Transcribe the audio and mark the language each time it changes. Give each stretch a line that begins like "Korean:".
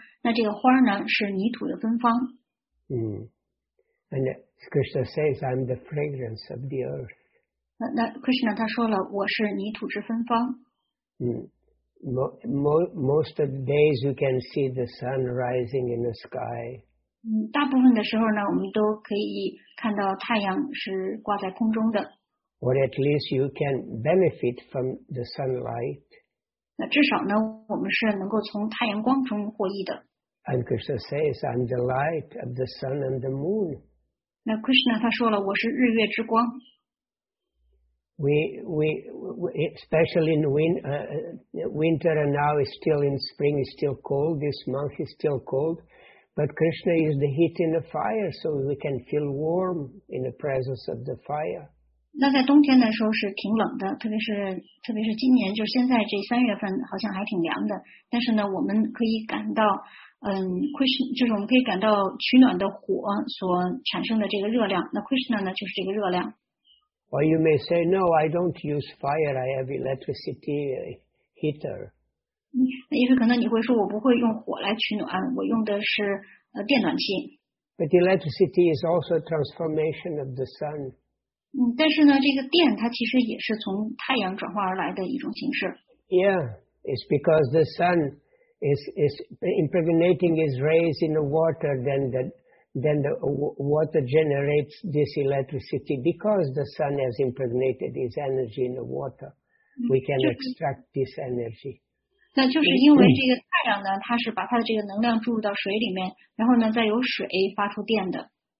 Chinese: 那这个花呢，是泥土的芬芳。
English: And Krishna says, "I'm the fragrance of the earth."
Chinese: 那 Krishna 他说了，我是泥土之芬芳。
English: Most of the days you can see the sun rising in the sky.
Chinese: 大部分的时候呢，我们都可以看到太阳是挂在空中的。
English: Or at least you can benefit from the sunlight.
Chinese: 那至少呢，我们是能够从太阳光中获益的。
English: And Krishna says, "I'm the light of the sun and the moon."
Chinese: 那 Krishna 他说了，我是日月之光。
English: We especially in winter and now it's still in spring, it's still cold, this month is still cold, but Krishna is the heat in the fire, so we can feel warm in the presence of the fire.
Chinese: 那在冬天的时候是挺冷的，特别是今年，就是现在这三月份好像还挺凉的，但是呢我们可以感到Krishna， 就是我们可以感到取暖的火所产生的这个热量，那 Krishna 呢就是这个热量。
English: Or you may say, no, I don't use fire, I have electricity heater.
Chinese: 也许可能你会说我不会用火来取暖，我用的是电暖气。
English: But electricity is also a transformation of the sun.
Chinese: 但是呢这个电它其实也是从太阳转化而来的一种形式。
English: Yeah, it's because the sun is impregnating its rays in the water, then the water generates this electricity because the sun has impregnated its energy in the water. We can extract this energy.
Chinese: 那就是因为这个太阳呢，它是把它的这个能量注入到水里面，然后呢，再由水发出电的。